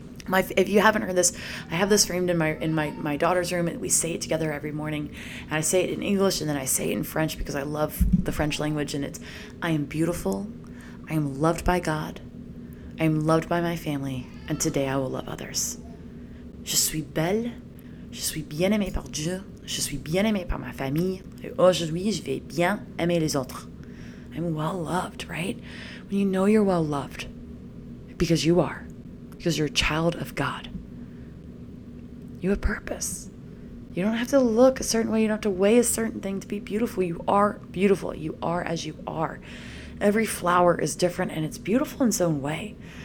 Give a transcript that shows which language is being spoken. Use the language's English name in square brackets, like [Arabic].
[English] If you haven't heard this, I have this framed in my daughter's room, and we say it together every morning. And I say it in English, and then I say it in French because I love the French language. And it's, I am beautiful, I am loved by God, I am loved by my family, and today I will love others. [French] Je suis belle, je suis bien aimée par Dieu, je suis bien aimée par ma famille, et aujourd'hui je vais bien aimer les autres. [English] I'm well loved, right? When you know you're well loved, because you are, because you're a child of God, you have purpose. You don't have to look a certain way. You don't have to weigh a certain thing to be beautiful. You are beautiful. You are as you are. Every flower is different and it's beautiful in its own way.